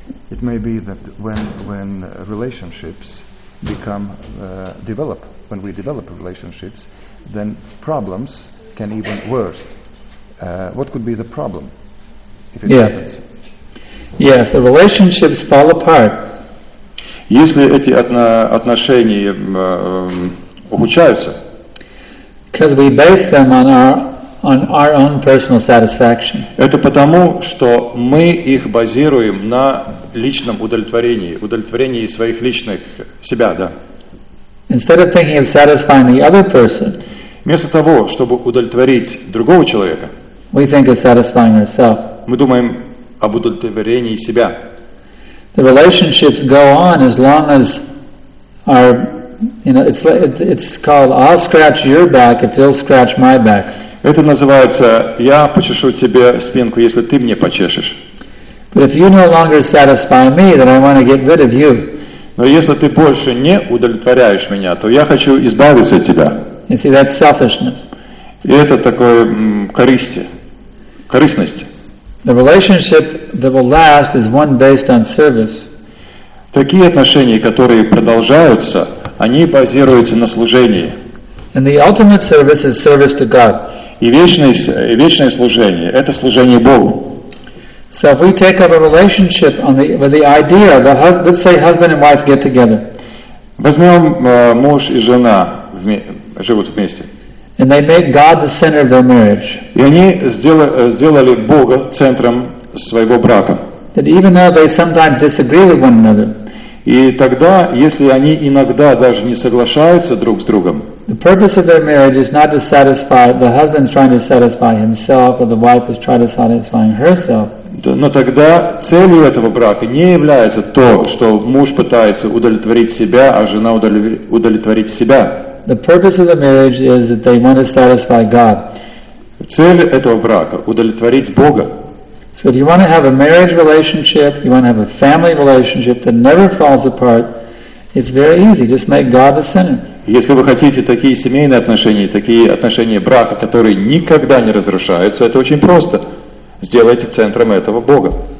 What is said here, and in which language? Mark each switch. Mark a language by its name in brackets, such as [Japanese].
[English] It may be that when relationships become develop, when we develop relationships, then problems can even worse. What could be the problem if it happens? Yes, the relationships fall apart. [Russian] Если эти отношения ухудшаются. [English] Because we base them on our own personal satisfaction. [Russian] Это потому, что мы их базируем на личном удовлетворении своих личных себя, да. [English] Instead of thinking of satisfying the other person. [Russian] Вместо того, чтобы удовлетворить другого человека. [English] We think of satisfying ourselves. [Russian] Мы думаем об удовлетворении себя. [English] The relationships go on as long as our, you know, it's called I'll scratch your back if you'll scratch my back. [Russian] Это называется я почешу тебе спинку, если ты мне почешешь. [English] But if you no longer satisfy me, then I want to get rid of you. [Russian] Но если ты больше не удовлетворяешь меня, то я хочу избавиться от тебя. [English] You see, that's selfishness. [Russian] И это такое корыстность. [English] The relationship that will last is one based on service. [Russian] Такие отношения, которые продолжаются, они базируются на служении. [English] And the ultimate service is service to God. [Russian] И вечное служение – это служение Богу. [English] So if we take up a relationship on the, with the idea that let's say husband and wife get together. [Russian] Возьмем муж и жена живут вместе. [English] And they make God the center of their marriage. [Russian] И они сделали Бога центром своего брака. [English] that even though they sometimes disagree with one another, [Russian] и тогда, если они иногда даже не соглашаются друг с другом, [English] the purpose of their marriage is not to satisfy, the husband's trying to satisfy himself, or the wife is trying to satisfy herself. [Russian] Но тогда целью этого брака не является то, что муж пытается удовлетворить себя, а жена удовлетворить себя. [English] The purpose of the marriage is that they want to satisfy God. [Russian] Цель этого брака – удовлетворить Бога. [English] So if you want to have a marriage relationship, you want to have a family relationship that never falls apart, it's very easy. Just make God the center. [Russian] Если вы хотите такие семейные отношения, такие отношения брака, которые никогда не разрушаются, это очень просто. Сделайте центром этого Бога.